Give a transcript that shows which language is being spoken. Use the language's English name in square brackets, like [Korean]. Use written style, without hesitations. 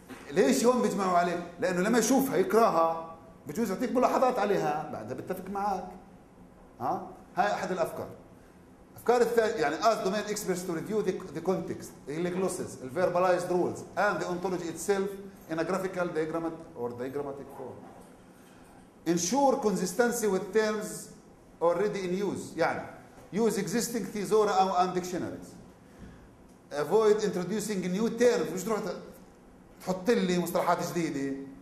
[Arabic] ليش هون بيجمعوا عليه؟ لانه لما يشوفها يقراها بجوز يعطيك ملاحظات عليها بعدها بتفق معك. ها هاي احد الافكار. الأفكار الثانية يعني [English] as domain experts to review the context, the glosses, the verbalized rules and the ontology itself in a graphical diagram or diagrammatic form. Ensure consistency with terms already in use. يعني use existing thesaurus and dictionaries. Avoid introducing new terms. [Arabic] مش تروح تحط لي مصطلحات جديدة.